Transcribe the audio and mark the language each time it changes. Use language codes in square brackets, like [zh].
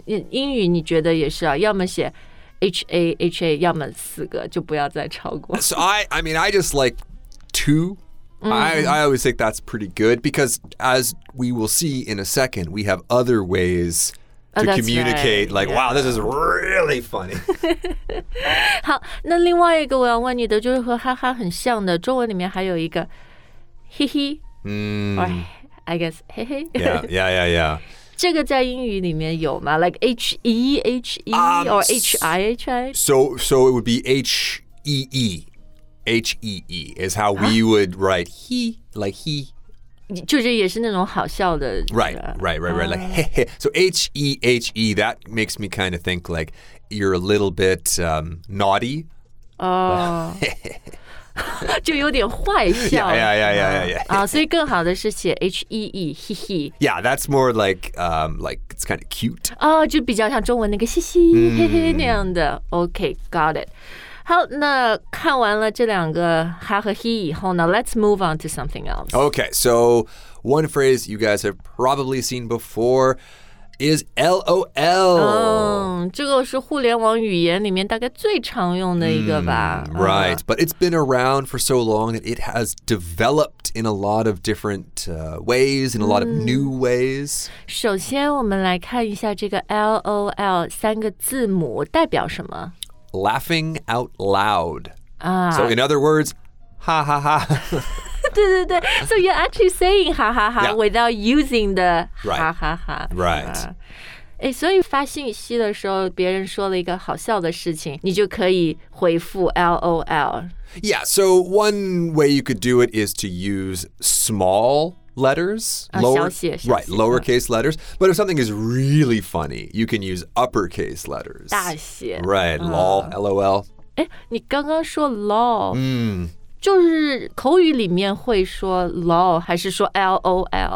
[zh] 英语你觉得也是啊，要么写 H-A-H-A 要么四个，就不要再超过。 [en] So I mean I just like two、I always think that's pretty good, because as we will see in a second, we have other waysc to communicate, like, wow, this is really funny. [zh] 好，那另外一个我要问你的就是和哈哈很像的，中文里面还有一个嘿嘿、 [en] I guess [zh] 嘿嘿。 [en] Yeah. [zh] 这个在英语里面有吗？ [en] Like H-E-H-E or H-I-H-I? So it would be H-E-E. H-E-E is how we would write he, like he. [zh] 就是也是那种好笑的 [en] Right. Like, hey. So H-E-H-E, that makes me kind of think like you're a little bit、naughty. Oh. [zh] 就有点坏笑。 [en] Yeah. [zh] 所以更好的是写 H-E-E, he he. [en] Yeah, that's more like it's kind of cute. [zh] 哦、 [en] oh, [zh] 就比较像中文那个嘻嘻嘿嘿那样的。 [en] Okay, got it. [zh] 好，那看完了这两个哈和he以后呢， [en] let's move on to something else. Okay, so one phrase you guys have probably seen before is LOL. [zh] 这个是互联网语言里面大概最常用的一个吧。 [en] Right, but it's been around for so long that it has developed in a lot of different、ways, in a lot of new ways. [zh] 首先我们来看一下这个 LOL 三个字母代表什么。 [en] Laughing out loud. So in other words, ha ha ha. [zh] 对对对 [en] So you're actually saying ha ha ha without using the ha ha ha. Right. [zh] 诶，所以发信息的时候别人说了一个好笑的事情，你就可以回复 LOL. [en] Yeah, so one way you could do it is to use small letters. Right, lowercase letters. But if something is really funny, you can use uppercase letters. [zh] 大写。 [en] Right, lol, lol. [zh] 你刚刚说 lol,、就是口语里面会说 lol 还是说 lol?